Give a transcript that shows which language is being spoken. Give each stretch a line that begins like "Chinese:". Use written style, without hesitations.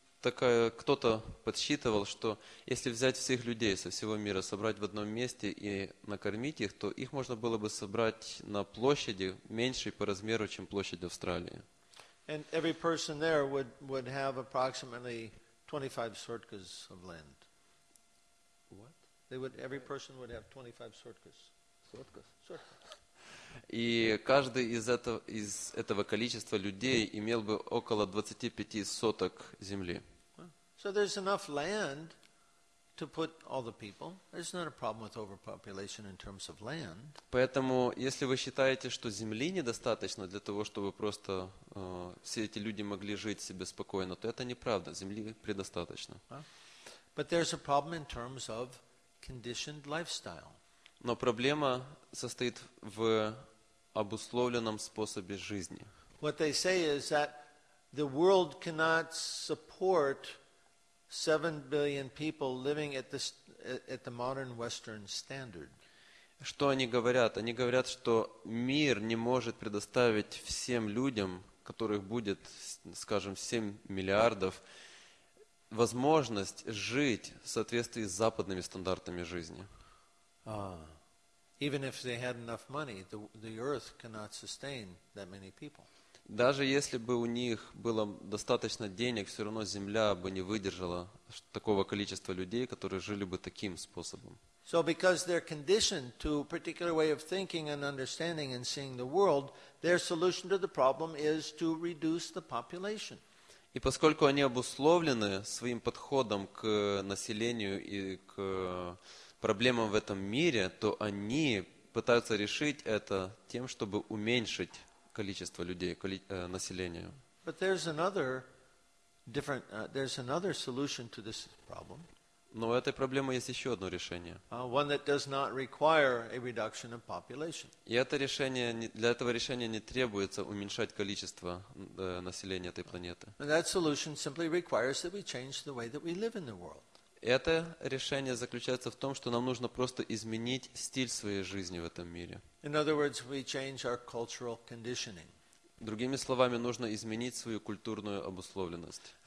Russian: Такая, кто-то подсчитывал, что если взять всех людей со всего мира, собрать в одном месте и накормить их, то их можно было бы собрать на площади меньшей по размеру, чем площадь Австралии.
English: And every person there would have approximately 25 sortkas of land. What? Every person would have 25 sortkas. Sortkas? Sortkas.
Russian: И каждый из этого количества людей имел бы около 25 соток земли.
English: So there's enough land to put all the people. There's not a problem with overpopulation in terms of land.
Russian: Поэтому, если вы считаете, что земли недостаточно для того, чтобы просто все эти люди могли жить себе спокойно, то это неправда. Земли предостаточно.
English: But there's a problem in terms of conditioned lifestyle.
Russian: Но проблема состоит в обусловленном способе жизни.
English: What they say is that the world cannot support 7 billion people living at the modern Western standard.
Russian: Что они говорят? Они говорят, что мир не может предоставить всем людям, которых будет, скажем, 7 миллиардов, возможность жить в соответствии с западными стандартами жизни. Даже если бы у них было достаточно денег, все равно Земля бы не выдержала такого количества людей, которые жили бы таким способом.
English: So because they're conditioned to a particular way of thinking and understanding and seeing the world, their solution to the problem is to reduce the population.
Russian: И поскольку они обусловлены своим подходом к населению и к проблемам в этом мире, то они пытаются решить это тем, чтобы уменьшить количество людей, население.
English: But there's another different there's another solution to this problem.
Russian: Но у этой проблемы есть еще одно решение.
English: One that does not require a reduction of population.
Russian: И это решение, для этого решения не требуется уменьшать количество населения этой планеты.
English: And that solution simply requires that we change the way that we live in the world.
Russian: Это решение заключается в том, что нам нужно просто изменить стиль своей жизни в этом мире.
English: In other words, we change our cultural conditioning.
Russian: Другими словами, нужно изменить свою культурную обусловленность.